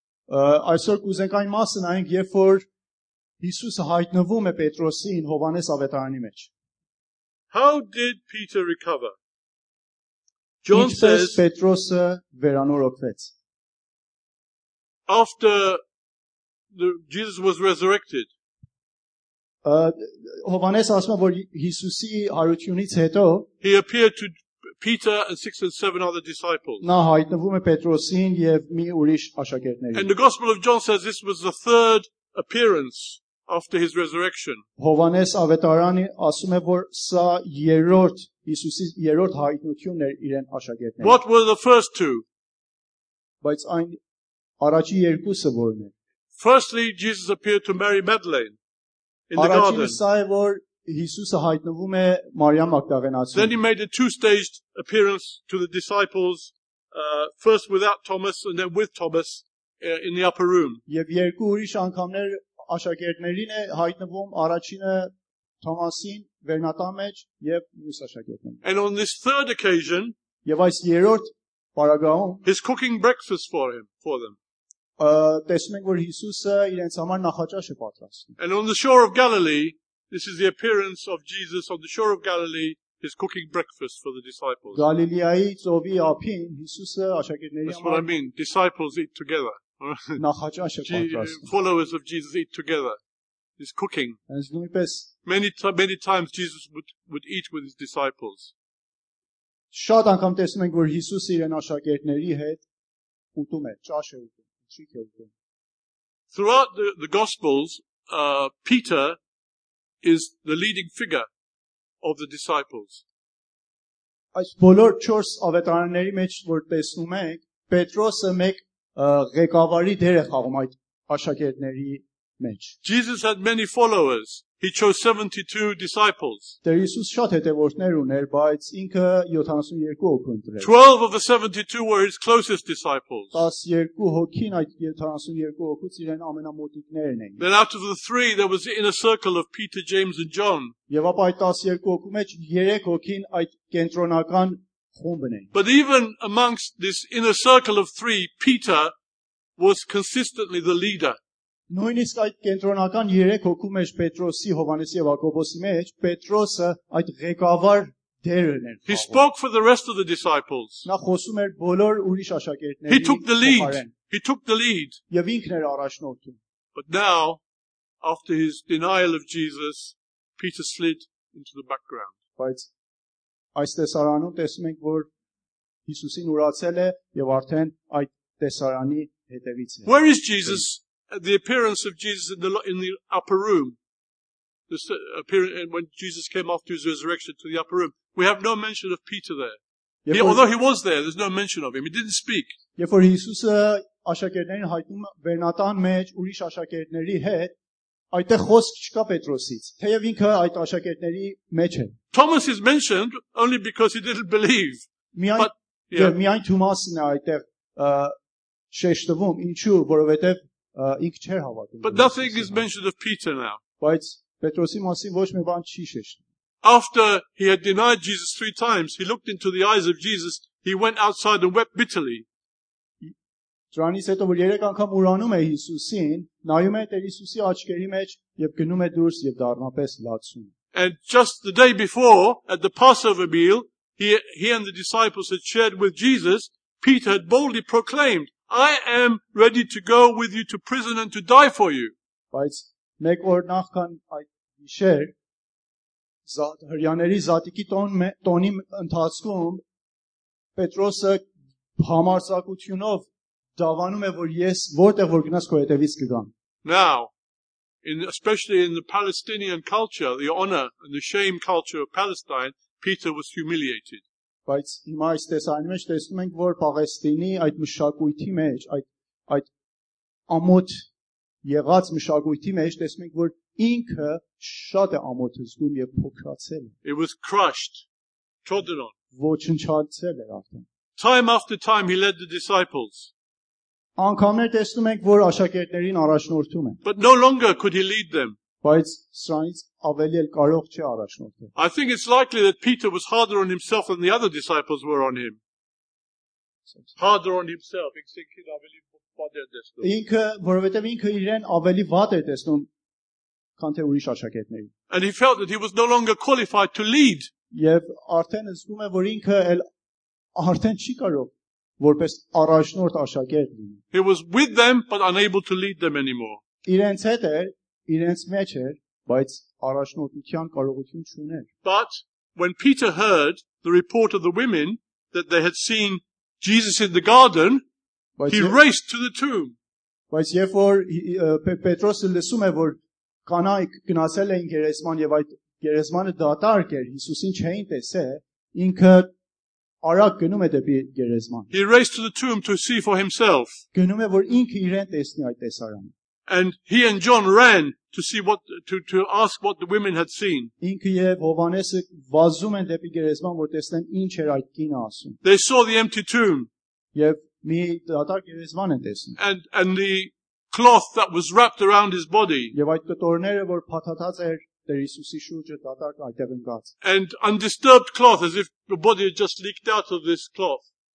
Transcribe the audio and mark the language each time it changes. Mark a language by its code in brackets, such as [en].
[hy] Այսօր կուզենք այն մասը նայենք, երբ որ Հիսուսը հայտնվում է Պետրոսին Հովանես ավետարանի մեջ. [en] How did Peter recover? John says [hy] Petrosը վերանորոգվեց. [en] After Jesus was resurrected. [hy] Հովանես ասում է, որ Հիսուսի հարությունից հետո [en] he appeared to Peter and 6 and 7 other disciples. [hy] Նա հայտնվում է Պետրոսին եւ մի ուրիշ աշակերտներին. [en] And the Gospel of John says this was the third appearance after his resurrection. [hy] Հովանես ավետարանը ասում է, որ սա երրորդ Հիսուսի երրորդ հայտնությունն էր իրեն աշակերտներին. [en] What were the first two? [hy] Բայց այն առաջի երկուսը ո՞րն էր. [en] Firstly, Jesus appeared to Mary Magdalene in the garden. [hy] Առաջինը սա է, որ Հիսուսը հայտնվում է Մարիամ Մագդալենացին. [en] Then he made a two-staged appearance to the disciples, first without Thomas and then with Thomas in the upper room. [hy] Եվ երկու ուրիշ անգամներ աշակերտներին է հայտնվում, առաջինը Թոմասին վերնատան մեջ եւ մյուս աշակերտներին։ [en] And on this third occasion, [hy] եւ այս երրորդ պարագայում, [en] he's cooking breakfast for them. [hy] Տեսնում ենք, որ Հիսուսը իրենց համար նախաճաշ է պատրաստում։ [en] And on the shore of Galilee, this is the appearance of Jesus on the shore of Galilee, he's cooking breakfast for the disciples. [hy] Galilei ծովի ափին Հիսուսը աշակերտների համար. [en] That's what I mean, disciples eat together. [hy] Նախաճաշ է պատրաստում. [en] Followers of Jesus eat together. He's cooking. [hy] Այս նույնպես [en] many times Jesus would eat with his disciples. [hy] Շատ անգամ տեսնում ենք, որ Հիսուսը իրեն աշակերտների հետ ուտում է, ճաշ է ուտում, ճիք է ուտում. [en] Throughout the gospels, Peter is the leading figure of the disciples. [hy] Այս բոլոր 4 ավետարանների մեջ, որ տեսնում ենք, Պետրոսը մեկ ղեկավարի դեր է խաղում այդ աշակերտների մեջ. [en] Jesus had many followers. He chose 72 disciples. [hy] Դեր Հիսուս շատ հետևորդներ ուներ, բայց ինքը 72 հոգու ընտրեց. [en] 12 of the 72 were his closest disciples. [hy] 72 հոգին այդ 72 հոգուց իրեն ամենամոտիկներն էին. [en] Then out of the 3 there was in a circle of Peter, James and John. [hy] Եվ ապա այդ 12 հոգու մեջ 3 հոգին այդ կենտրոնական [en] But even amongst this inner circle of 3, Peter was consistently the leader. [hy] Նույնիսկ այդ կենտրոնական 3 հոգու մեջ Պետրոսի, Հովանեսի եւ Ակոբոսի մեջ Պետրոսը այդ ղեկավար դերը ներ [en] He spoke for the rest of the disciples. [hy] Նա խոսում էր բոլոր ուրիշ աշակերտների [en] He took the lead. He took the lead. [hy] Եվ ինքն էր առաջնորդում. [en] But now, after his denial of Jesus, Peter slid into the background. [hy] Բայց այս տեսարանում տեսնում ենք, որ Հիսուսին ուրացել է եւ արդեն այդ տեսարանի հետևից է։ [en] Where is Jesus? The appearance of Jesus in the upper room. This appearance when Jesus came after his resurrection to the upper room. We have no mention of Peter there. Although he was there, there's no mention of him. He didn't speak. [hy] Երբ որ Հիսուսը աշակերտներին հայտնում վերնատան մեջ ուրիշ աշակերտների հետ, այդտեղ խոսք չկա Պետրոսից, թեև ինքը այդ աշակերտների մեջ է։ [en] Thomas is mentioned only because he didn't believe. [hy] Միայն Թոմասն է այդտեղ շեշտվում, ինչու, որովհետև ինքը չէր հավատում։ [en] But nothing is mentioned of Peter now. [hy] Բայց Պետրոսի մասին ոչ մի բան չի շեշտվում։ [en] After he had denied Jesus 3 times, he looked into the eyes of Jesus, he went outside and wept bitterly. [hy] Ջրանից հետո որ 3 անգամ ուրանում է Հիսուսին, նայում է Տեր Հիսուսի աչքերի մեջ եւ գնում է դուրս եւ դառնապես լացում։ [en] And just the day before at the Passover meal, he and the disciples had shared with Jesus, Peter had boldly proclaimed, I am ready to go with you to prison and to die for you. [hy] բայց մեկ օր նախքան այդ գիշեր հրյաների զատիկի տոնի ընթացքում Պետրոսը համարձակությունով դավանում է, որ ես որտեղ որ գնաս քո հետևից կգամ. [en] Now, especially in the Palestinian culture, the honor and the shame culture of Palestine, Peter was humiliated. [hy] Բայց հիմա այս տեսանյունի մեջ տեսնում ենք, որ Պաղեստինի այդ մշակույթի մեջ, այդ ամոթ եղած մշակույթի մեջ տեսնում ենք, որ ինքը շատ է ամոթ զգում եւ փոքրացել։ [en] It was crushed, trodden on. [hy] Ոչնչացել էր արդեն։ [en] Time after time he led the disciples. [hy] Անկամներ տեսնում ենք, որ աշակերտներին առաջնորդում են։ [en] But no longer could he lead them. [hy] Բայց սրանից ավելի էլ կարող չէ առաջնորդել։ [en] I think it's likely that Peter was harder on himself than the other disciples were on him. Harder on himself, [hy] ինքն ավելի վատ էր տեսնում։ Ինքը, որովհետև ինքը իրեն ավելի վատ էր տեսնում, քան թե ուրիշ աշակերտներին։ [en] And he felt that he was no longer qualified to lead. [hy] Եվ արդեն զգում է, որ ինքը էլ արդեն չի կարող որպես առաջնորդ աշակերտ լինի։ [en] He was with them but unable to lead them anymore. [hy] Իրենց հետ էր, իրենց մեջ էր, բայց առաջնորդության կարողություն չուներ։ [en] But when Peter heard the report of the women that they had seen Jesus in the garden, he raced to the tomb. [hy] Բայց երբ որ Պետրոսը լսում է, որ կանայք գնացել էին գերեզման եւ այդ գերեզմանը դատարկ էր, Հիսուսին չէին տեսել, ինքը Արագ գնում է դեպի գերեզման։ [en] He raced to the tomb to see for himself. [hy] Գնում է, որ ինքը իրեն տեսնի այդ տեսարանը։ [en] And he and John ran to see what to ask what the women had seen. [hy] Ինքը եւ Հովանեսը վազում են դեպի գերեզման, որ տեսնեն ինչ էր այդ կինը ասում։ [en] They saw the empty tomb. [hy] Եվ մի դատարկ գերեզման են տեսնում։ [en] And the cloth that was wrapped around his body. [hy] Եվ այդ կտորները, որ փաթաթած էր Դեր Հիսուսի շուրջը դատարկ այդտեղ ընկած։ [en] And undisturbed cloth as if the body had just leaked out of this cloth.